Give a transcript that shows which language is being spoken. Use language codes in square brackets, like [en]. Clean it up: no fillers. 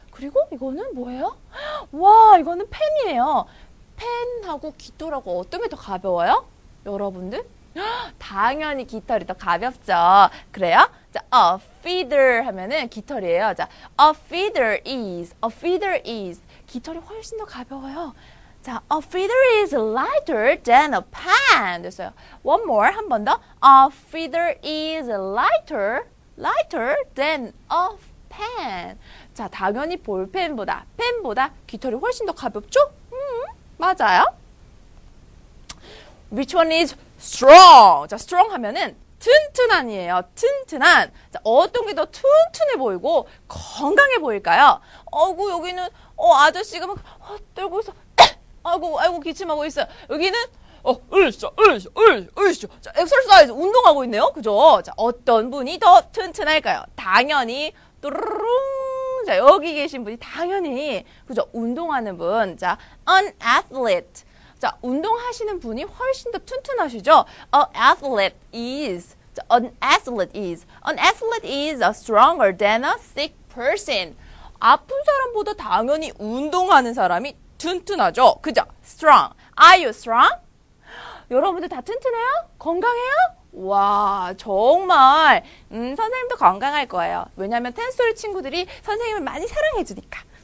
[ko] 그리고 이거는 뭐예요? 와, 이거는 펜이에요. 펜하고 깃털하고 어떤 게 더 가벼워요? 여러분들? 당연히 깃털이 더 가볍죠. 그래요? 자, a feather 하면은 깃털이에요. [en] 자, a feather is, a feather is. [ko] 깃털이 훨씬 더 가벼워요. [en] 자, a feather is lighter than a pen. [ko] 됐어요. [en] One more, [ko] 한 번 더. [en] A feather is lighter, lighter than a pen. [ko] 자, 당연히 볼펜보다, 펜보다 깃털이 훨씬 더 가볍죠? 맞아요. [en] Which one is strong? [ko] 자, strong 하면은 튼튼한이에요. 튼튼한. 자, 어떤 게 더 튼튼해 보이고 건강해 보일까요? 어구, 여기는 어 아저씨가 막 헛들고 있어. 아이고, 아이고, 기침하고 있어요. 여기는 어, 으쌰, 으쌰, 으쌰, 으쌰. 자, 엑서사이즈 운동하고 있네요. 그죠? 자, 어떤 분이 더 튼튼할까요? 당연히 뚜루룽. 자, 여기 계신 분이 당연히 그죠? 운동하는 분. 자, an athlete. 자, 운동하시는 분이 훨씬 더 튼튼하시죠? [en] A athlete is. 자, an athlete is. An athlete is a stronger than a sick person. [ko] 아픈 사람보다 당연히 운동하는 사람이 튼튼하죠? 그죠? Strong. [en] Are you strong? [ko] 여러분들 다 튼튼해요? 건강해요? 와, 정말 선생님도 건강할 거예요. 왜냐하면 텐스토리 친구들이 선생님을 많이 사랑해주니까.